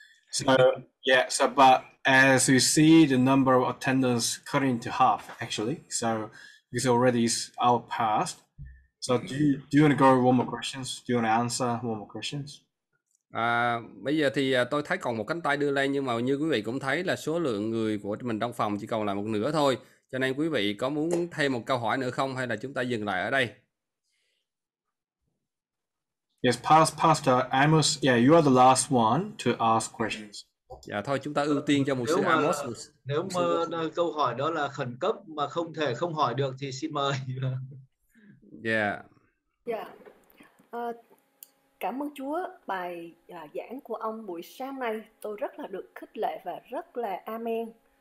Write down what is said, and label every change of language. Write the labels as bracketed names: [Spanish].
[English] So yeah, so but as you see the number of attendance cut into half actually. So it's already our past. So do you want to go with one more questions? Do you want to answer one more questions? [Vietnamese] Bây giờ thì tôi thấy còn một cánh tay đưa lên, nhưng mà như quý vị cũng thấy là số lượng người của mình trong phòng chỉ còn lại một nửa thôi. Cho nên quý vị có muốn thêm một câu hỏi nữa không, hay là chúng ta dừng lại ở đây? [English] Yes, Pastor Amos, yeah, you are the last one to ask questions. [Vietnamese] Dạ thôi, chúng ta ưu tiên cho một sư Amos. Nếu mà câu hỏi đó là khẩn cấp mà không thể không hỏi được thì xin mời. Yeah. Yeah. Cảm ơn Chúa, bài giảng của ông buổi sáng nay tôi rất là được khích lệ và rất là amen.